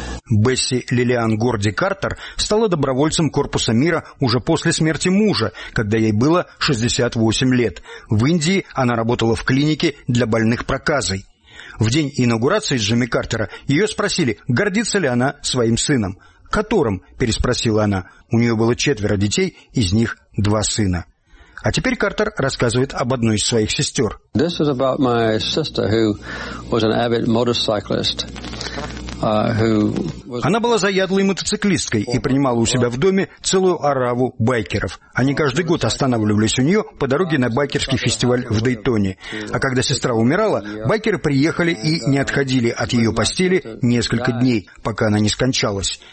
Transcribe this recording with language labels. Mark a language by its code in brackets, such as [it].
[ru] Бесси Лилиан Горди Картер стала добровольцем корпуса мира уже после смерти мужа, когда ей было 68 лет. В Индии она работала в клинике для больных проказой. В день инаугурации Джимми Картера ее спросили, гордится ли она своим сыном. «Которым?» – переспросила она. У нее было четверо детей, из них два сына. А теперь Картер рассказывает об одной из своих сестер. [en] This is about my sister, who was an avid motorcyclist. [ru] Она была заядлой мотоциклисткой и принимала у себя в доме целую ораву байкеров. Они каждый год останавливались у нее по дороге на байкерский фестиваль в Дейтоне. А когда сестра умирала, байкеры приехали и не отходили от ее постели несколько дней, пока она не скончалась.